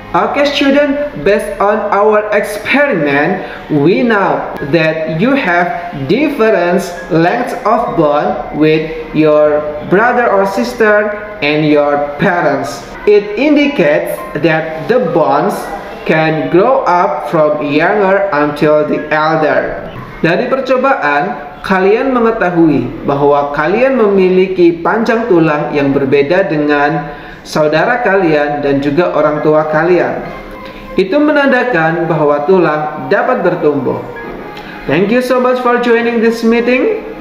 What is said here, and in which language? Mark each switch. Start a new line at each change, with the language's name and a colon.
English: Okay student, based on our experiment, we know that you have different lengths of bone with your brother or sister and your parents. It indicates that the bones can grow up from younger until the elder.
Indonesian: Dari percobaan, kalian mengetahui bahwa kalian memiliki panjang tulang yang berbeda dengan saudara kalian dan juga orang tua kalian. Itu menandakan bahwa tulang dapat bertumbuh.
English: Thank you so much for joining this meeting.